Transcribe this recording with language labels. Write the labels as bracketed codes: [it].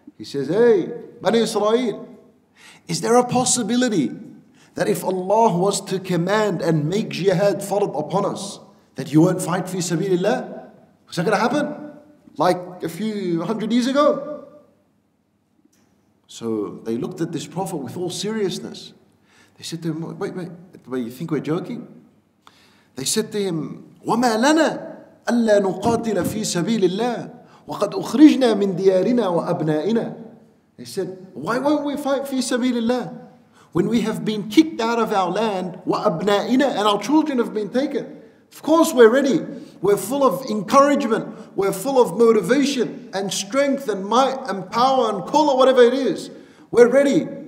[en] He says, hey, Bani Israel, is there a possibility that if Allah was to command and make jihad fard upon us, that you won't fight fi sabilillah? Is that going to happen? Like a few hundred years ago? So they looked at this prophet with all seriousness. They said to him, wait, you think we're joking? They said to him, [ar] وَمَا لَنَا أَلَّا نُقَاتِلَ فِي سَبِيلِ اللَّهِ وَقَدْ أُخْرِجْنَا مِنْ دِيَارِنَا وَأَبْنَائِنَا. [en] They said, why won't we fight [ar] فِي سَبِيلِ اللَّهِ [en] when we have been kicked out of our land [ar] وَأَبْنَائِنَا [en] and our children have been taken? Of course we're ready. We're full of encouragement. We're full of motivation and strength and might and power and color, whatever it is. We're ready.